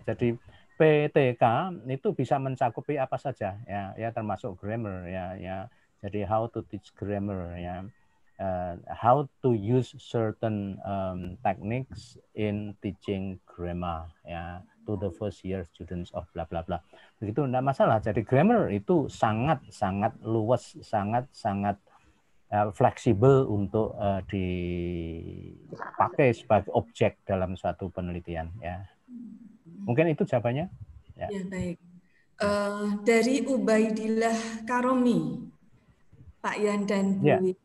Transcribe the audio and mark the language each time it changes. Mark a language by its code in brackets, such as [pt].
[id] Jadi PTK itu bisa mencakupi apa saja, ya, ya, termasuk grammar, ya, ya. [en] Jadi how to teach grammar, ya. How to use certain techniques in teaching grammar, ya, to the first year students of blah blah blah. [id] Begitu, enggak masalah. Jadi grammar itu sangat sangat luas, sangat sangat fleksibel untuk dipakai sebagai objek dalam suatu penelitian, ya. Mungkin itu jawabannya. Ya, ya, baik. Dari Ubaidillah Karomi, Pak Yan dan Bu. Yeah.